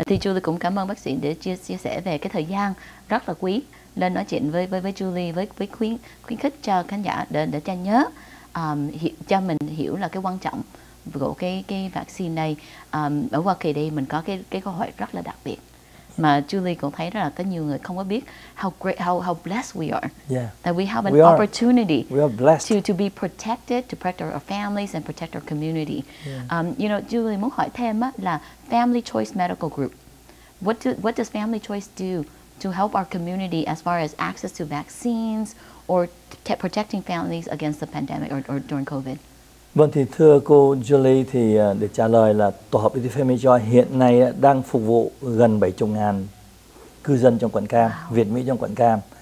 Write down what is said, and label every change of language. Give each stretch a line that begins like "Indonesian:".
Vietnamese: Thì Julie cũng cảm ơn bác sĩ để chia sẻ về cái thời gian rất là quý lên nói chuyện với Julie, với khuyến khích cho khán giả để cho nhớ, cho mình hiểu là cái quan trọng của cái vaccine này. Ở Hoa Kỳ đây mình có cái câu hỏi rất là đặc biệt mà Julie cũng thấy rất là có nhiều người không có biết,
English: how blessed we are. Yeah. That we have an opportunity. We are blessed to be protected, to protect our families and protect our community. Yeah. You know,
Vietnamese: Julie muốn hỏi thêm là Family Choice Medical Group.
English: What does Family Choice do to help our community as far as access to vaccines or protecting families against the pandemic or during COVID?
Vietnamese: Vâng, thì thưa cô Julie, thì để trả lời là tổ hợp Easy Family Choice hiện nay đang phục vụ gần 70,000 cư dân trong quận Cam, Việt Mỹ trong quận Cam.